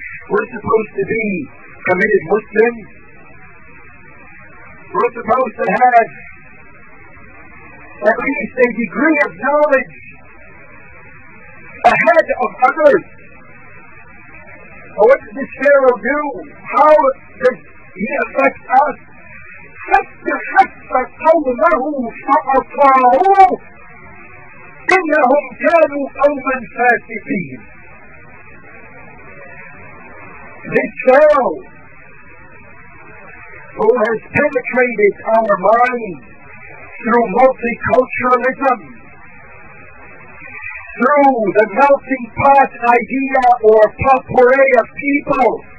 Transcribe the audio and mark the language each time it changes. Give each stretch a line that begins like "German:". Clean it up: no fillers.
English: We're supposed to be committed Muslims. We're supposed to have at least a degree of knowledge ahead of others. But what does this Pharaoh do? How does he affect us?
Arabic: فَتَّحَتَّ قَوْمَهُ فَأَطَاعُوهُ إِنَّهُمْ كَانُوا قَوْمًا فَاسِقِينَ.
English: This Pharaoh who has penetrated our minds through multiculturalism, through the melting pot idea or potpourri of people.